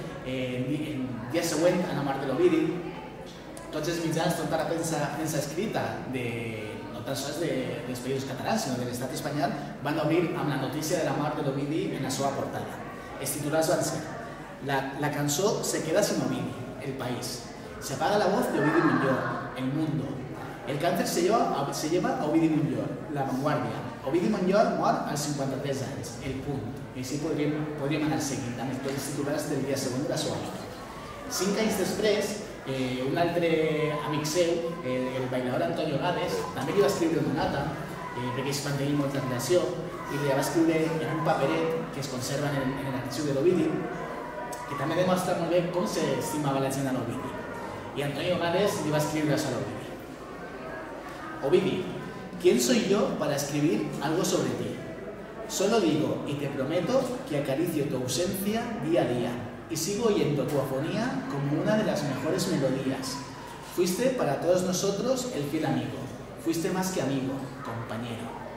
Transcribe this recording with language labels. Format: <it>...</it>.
<ca>El dia següent, a la mort de l'Ovidi, tots els mitjans, tota la premsa escrita, no tan sols dels països catalans, sinó de l'estat espanyol, van obrir amb la notícia de la mort de l'Ovidi en la seva portada. Els titulars van ser</ca> <es>La cançó se queda sin Ovidi,</es> <ca>el país.</ca> <es>Se apaga la voz de Ovidi Montllor, el mundo. El càncer se lleva a Ovidi Montllor, la vanguardia.</es> <ca>Ovidi Montllor mor als 53 anys, el punt. I així podríem anar seguint amb els dos titulars del dia segon de la seva vida. 5 anys després, un altre amic seu, el bailador Antonio Gades, també li va escriure una nota, perquè ells van tenir molta relació, i li va escriure en un paperet que es conserva en l'arxiu de l'Ovidi, que també demostra molt bé com s'estimava la gent a l'Ovidi. I Antonio Gades li va escriure això a l'Ovidi.</ca> <es>Ovidi, ¿quién soy yo para escribir algo sobre ti? Solo digo y te prometo que acaricio tu ausencia día a día y sigo oyendo tu afonía como una de las mejores melodías. Fuiste para todos nosotros el fiel amigo. Fuiste más que amigo, compañero.</es>